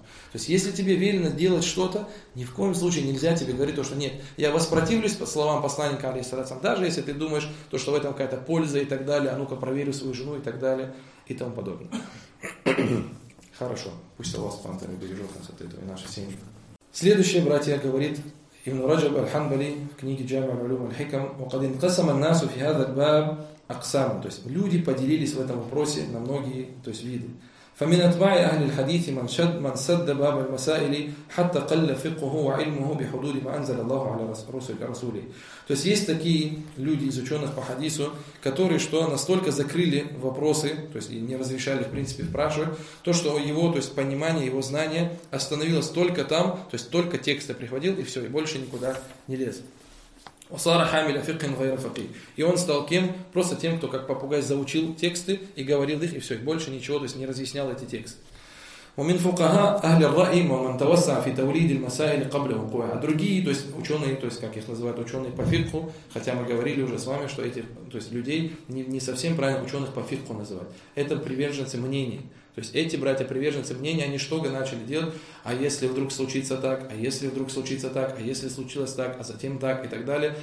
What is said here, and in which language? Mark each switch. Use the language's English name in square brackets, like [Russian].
[Russian] То есть, если тебе велено делать что-то, ни в коем случае нельзя тебе говорить то, что нет, я воспротивлюсь по словам посланника, алейхиссалату вассалям, даже если ты думаешь, то, что в этом какая-то польза и так далее, а ну-ка проверю свою жену и так далее, и тому подобное. Хорошо. Пусть Аллах субхана ва тааля бережет нас от этого и наши семьи. Следующее, братья, говорит Ибн Раджаб аль-Ханбали в книге Джамиа уль-Улум аль-Хикам, [Arabic] «وقد انقسم الناس في هذا الباب أقسام». [Russian] То есть, люди поделились в этом вопросе на многие, то есть, виды. [Arabic] فمن أتباع أهل الحديث من شد من سد باب المسائل حتى قل فقهه وعلمه بحدود ما أنزل الله على رسوله. [Russian] То есть есть такие люди из ученых по хадису, которые что настолько закрыли вопросы, то есть не разрешали в принципе спрашивать, то что его, то есть понимание, его знание остановилось только там, то есть только тексты приходил и все, и больше никуда не лез. [Arabic] وصار حامل فقه غير فقيه. [Russian] И он стал кем? Просто тем, кто как попугай заучил тексты и говорил их, и все, и больше ничего, то есть не разъяснял эти тексты. [Arabic] ومن فقهاء أهل الرأي ومن توسع في توليد المسائل قبل وقوعها. [Russian] Другие, то есть ученые, то есть как их называют, ученые по фикху, хотя мы говорили уже с вами, что эти, то есть людей не совсем правильно ученых по фикху называть. Это приверженцы мнений. То есть эти братья приверженцы мнения, они что-то начали делать, а если вдруг случится так, а если вдруг случится так, а если случилось так, а затем так и так далее.